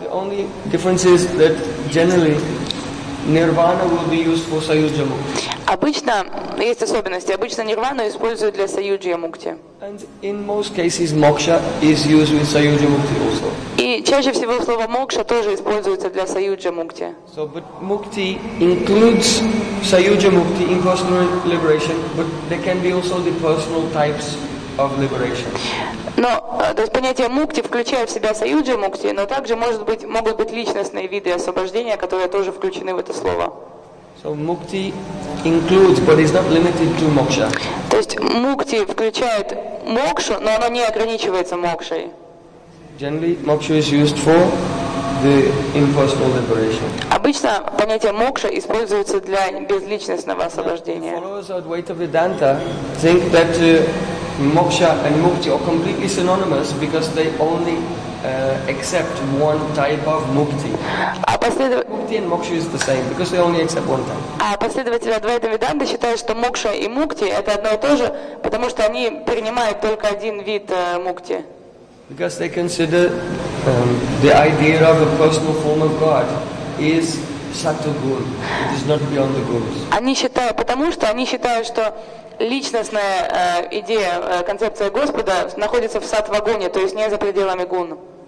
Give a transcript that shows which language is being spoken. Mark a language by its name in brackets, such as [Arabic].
[English] The only difference is that generally nirvana will be used for sayujya mukti. [Russian] Обычно есть особенности. Обычно нирвану используют для саюджия мукти. [English] And in most cases, moksha is used with саюджия мукти also. [Russian] И чаще всего слово мокша тоже используется для саюджия мукти. [English] So, but mukti includes саюджия мукти, impersonal liberation, but there can be also the personal types of liberation. [Russian] Но то есть понятие мукти включает в себя саюджия мукти, но также могут быть личностные виды освобождения, которые тоже включены в это слово. [English] So mukti includes, but is not limited to moksha. [Russian] То есть мукти включает мокшу, но она не ограничивается мокшей. [English] Generally, moksha is used for the impersonal liberation. [Russian] Обычно понятие мокша используется для безличностного освобождения. [English] The followers of Advaita Vedanta think that moksha and mukti are completely synonymous because they only accept one type of mukti. Mukti and moksha is the same because they only accept one type. [Russian] А последователи Адвайта Веданты считают, что мокша и мукти это одно и то же, потому что они принимают только один вид мукти. [English] Because they consider the idea of a personal form of God is satogun. It is not beyond the gurus. [Russian] Они считают, потому что они считают, что личностная идея, концепция Господа находится в сатвагуне, то есть не за пределами гун.